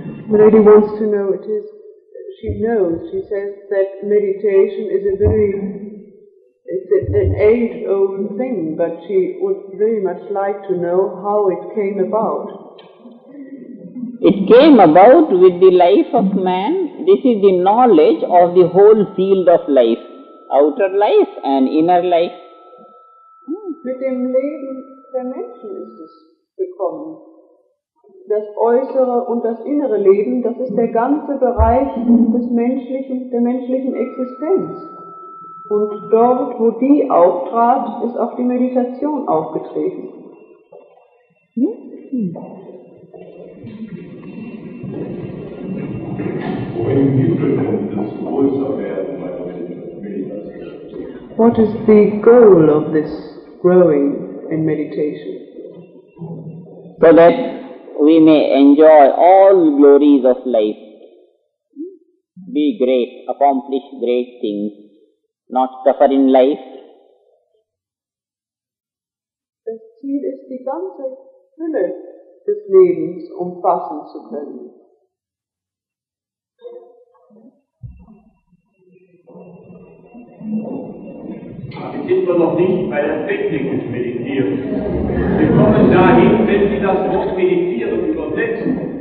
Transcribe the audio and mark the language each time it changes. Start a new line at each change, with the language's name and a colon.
English: The lady wants to know, it is, she knows, she says that meditation is a very, it's an age-old thing, but she would very much like to know how it came about. It came about with the life of man. This is the knowledge of the whole field of life, outer life and inner life.
German: Mit dem Leben der Menschen ist es gekommen. Das äußere und das innere Leben, das ist der ganze Bereich des menschlichen, der menschlichen Existenz. Und dort, wo die auftrat, ist auch die Meditation aufgetreten.
English: What is the goal of this growing in meditation? So that we may enjoy all glories of life, be great, accomplish great things, not suffer in life.
German: Das Ziel ist, die ganze Fülle des Lebens umfassen zu können. Sie sind doch noch nicht bei der Technik des Meditierens. Sie kommen dahin, wenn Sie das Wort Meditieren übersetzen.